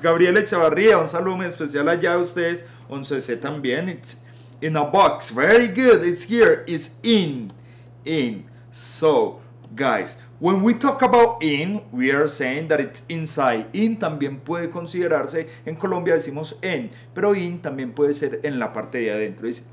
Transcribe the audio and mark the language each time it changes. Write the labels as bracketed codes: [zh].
[es] Gabriel Echavarría, un saludo muy especial allá a ustedes. [en] 11C [es] también, [en] it's in a box, very good, it's here, it's in. So, guys, when we talk about in, we are saying that it's inside. [es] In también puede considerarse, en Colombia decimos en, pero in también puede ser en la parte de adentro.